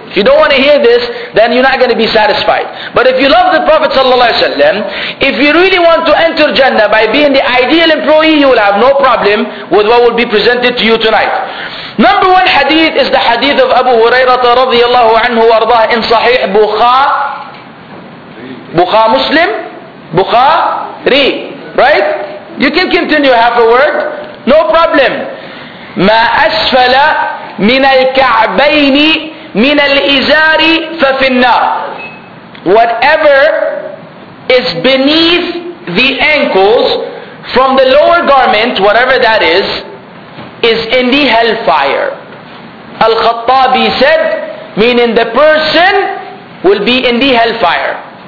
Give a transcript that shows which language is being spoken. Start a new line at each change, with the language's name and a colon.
English: If you don't want to hear this, then you're not going to be satisfied. But if you love the Prophet ﷺ, if you really want to enter Jannah by being the ideal employee, you will have no problem with what will be presented to you tonight. Number one hadith is the hadith of Abu Hurairah radiallahu anhu warbah in Sahih Bukhari Muslim, Bukhari, right? You can continue half a word, no problem.
Arabic: ما أسفل من الكعبين من الإزار ففي النار.
English: Whatever is beneath the ankles from the lower garment, whatever that is in the hellfire. Al-Khattabi said, meaning the person will be in the hellfire.